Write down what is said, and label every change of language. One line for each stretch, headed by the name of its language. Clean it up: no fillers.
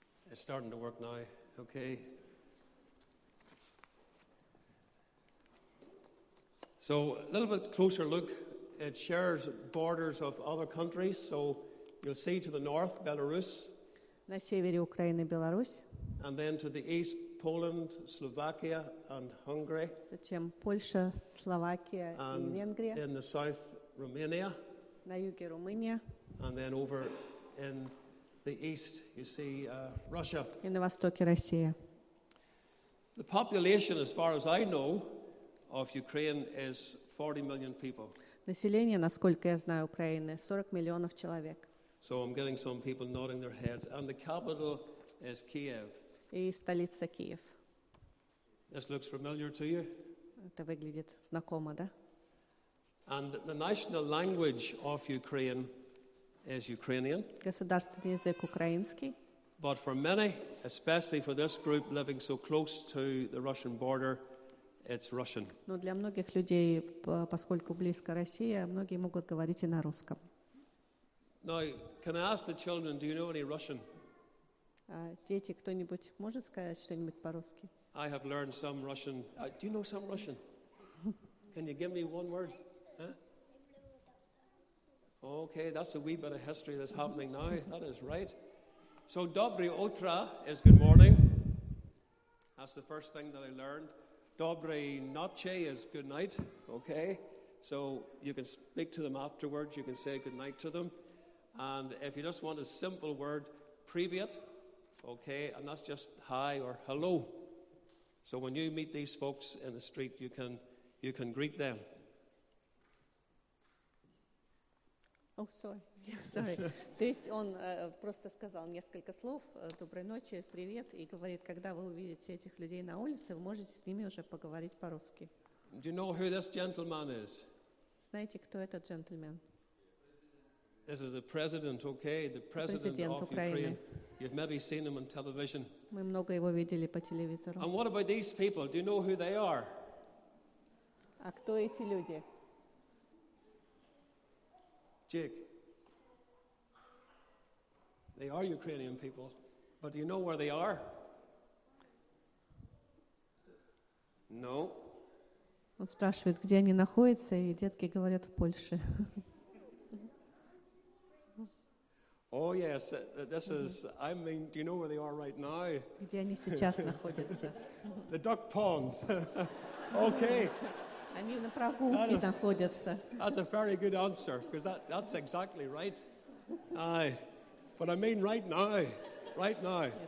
English: It's starting to work now. Okay. So a little bit closer look. It shares borders of other countries. So you'll see to the north, Belarus.
Russian: На севере Украины Беларусь.
English: And then to the east, Poland, Slovakia, and Hungary.
Russian: Затем Польша, Словакия и Венгрия.
English: And in the south, Romania.
Russian: На юге Румыния.
English: And then over in the east, you see Russia.
Russian: И на востоке Россия.
English: The population, as far as I know, of Ukraine is 40 million people.
Russian: Население, насколько я знаю, Украины 40 миллионов человек.
English: So I'm getting some people nodding their heads. And the capital is Kiev.
Russian: И столица Киев.
English: This looks familiar to you?
Russian: Это выглядит знакомо, да?
English: And the national language of Ukraine is Ukrainian.
Russian: Государственный язык украинский.
English: But for many, especially for this group living so close to the Russian border, it's Russian.
Russian: Но для многих людей, поскольку близко Россия, многие могут говорить и на русском.
English: Now, can I ask the children, do you know any Russian?
Russian: Дети, кто-нибудь может сказать что-нибудь по-русски?
English: I have learned some Russian. Do you know some Russian? Can you give me one word? Huh? Okay, that's a wee bit of history that's happening now. That is right. So,
Russian: dobry utra
English: is good morning. That's the first thing that I learned.
Russian: Dobry noche
English: is good night. Okay, so you can speak to them afterwards. You can say good night to them. And if you just want a simple word, privet. Okay, and that's just hi or hello. So when you meet these folks in the street, you can greet them. Oh, sorry.
Russian: То есть он просто сказал несколько слов, доброй ночи, привет, и говорит, когда вы увидите этих людей на улице, вы можете с ними уже поговорить по-русски.
English: Do you know who this gentleman is?
Russian: Знаете, кто этот джентльмен?
English: This is the president, okay, the president of
Russian: Украины.
English: Ukraine. You've maybe seen him on television.
Russian: Мы много его видели по телевизору.
English: And what about these people? Do you know who they are?
Russian: А кто эти люди?
English: Jake. They are Ukrainian people. But do you know where they are? No.
Russian: Он спрашивает, где они находятся, и детки говорят, в Польше.
English: Oh yes, this is. I mean, do you know where they are right now?
Russian: Где они сейчас находятся?
English: The duck pond. Okay.
Russian: Они на прогулке находятся.
English: That's a very good answer because that's exactly right. Aye, but I mean right now, right now.